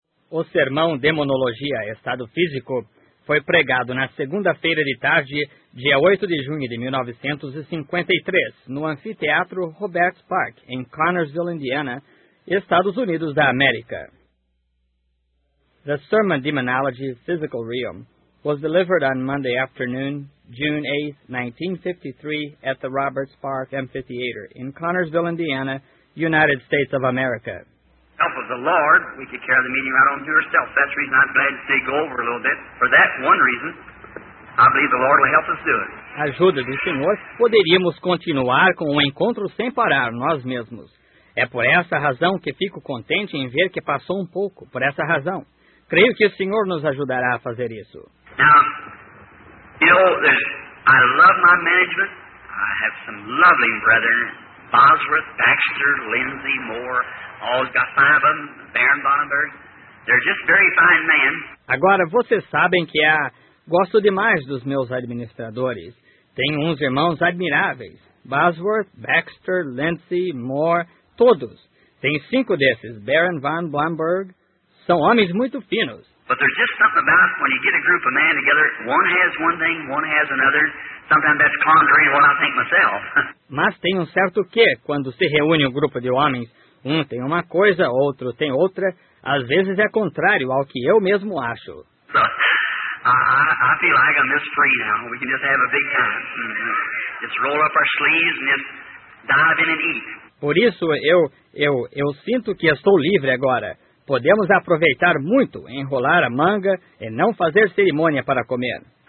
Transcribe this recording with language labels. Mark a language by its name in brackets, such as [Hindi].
[Portuguese] O sermão Demonologia, Estado Físico, foi pregado na segunda-feira de tarde, dia 8 de junho de 1953, no Anfiteatro Roberts Park, em Connersville, Indiana, Estados Unidos da América. [English] The sermon Demonology, Physical Realm, was delivered on Monday afternoon, June 8, 1953, at the Roberts Park Amphitheater in Connersville, Indiana, United States of America. Help of the Lord, we take care of the meeting right on to yourself. That's the reason I'm glad to say go over a little bit. For that one reason, I believe the Lord will help us do it. [Portuguese] Ajuda do Senhor, poderíamos continuar com o encontro sem parar nós mesmos. É por essa razão que fico contente em ver que passou um pouco, por essa razão. Creio que o Senhor nos ajudará a fazer isso. [English] Now, you know, I love my management. I have some lovely brethren. Bosworth, Baxter, Lindsay, Moore, all got five of them, Baron Bonnenberg. They're just very fine men. [Portuguese] Agora, vocês sabem que gosto demais dos meus administradores. Tenho uns irmãos admiráveis. Bosworth, Baxter, Lindsay, Moore, todos. Tem cinco desses, Baron von Blomberg. São homens muito finos. [English] But there's just something about when you get a group of men together, one has one thing, one has another. Sometimes that's contrary to what I think myself. [Portuguese] Mas tem um certo quê quando se reúne um grupo de homens. Um tem uma coisa, outro tem outra. Às vezes é contrário ao que eu mesmo acho. [English] So, I feel like I'm just free now. We can just have a big time. Just roll up our sleeves and just dive in and eat. [Portuguese] Por isso, eu sinto que estou livre agora. Podemos aproveitar muito, enrolar a manga e não fazer cerimônia para comer.